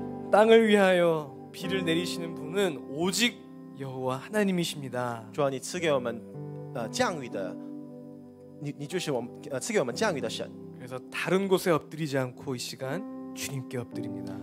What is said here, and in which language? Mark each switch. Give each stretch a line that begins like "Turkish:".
Korean: 땅을 위하여 비를 내리시는 분은 오직 여호와 하나님이십니다.
Chinese: 주아니 赐给我们降雨的你就是我们赐给我们降雨的神.
Korean: 그래서 다른 곳에 엎드리지 않고 이 시간 주님께 엎드립니다.